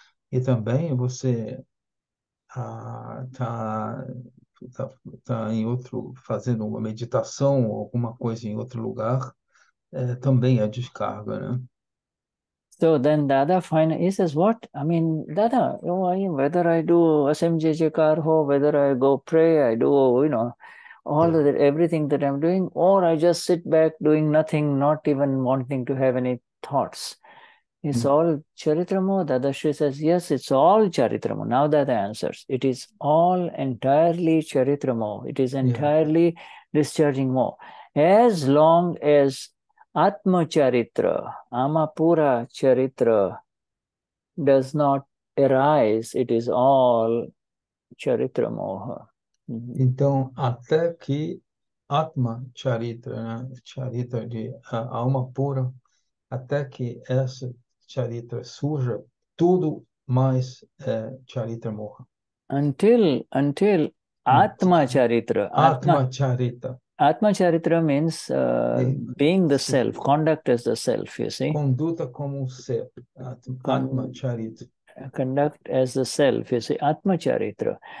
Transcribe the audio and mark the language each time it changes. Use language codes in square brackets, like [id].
[pt] E também você tá em outro, fazendo uma meditação ou alguma coisa em outro lugar, também é descarga, né? [en] So then Dada finally, he says, what? I mean, Dada, you know, whether I do Asim Jai Jai Kar Ho, whether I go pray, I do, you know, everything that I'm doing, or I just sit back doing nothing, not even wanting to have any thoughts. It's all charitramo. Dada Shri says, yes, it's all charitramo. Now Dada answers, it is all entirely charitramo. It is entirely discharging mo. As long as Atma Charitra, Amapura Charitra does not arise, it is all Charitra Moha. Mm-hmm. [pt] Então, até que Atma Charitra, né? Charitra de alma pura, até que essa Charitra surja, tudo mais é Charitra Moha. [en] Until Atma Charitra. Atma Charitra. Atma Charitra means being the self, conduct as the self, you see. [pt] Conduta como um ser. Atma Charitra. [en] Conduct as the self, you see, Atma Charitra.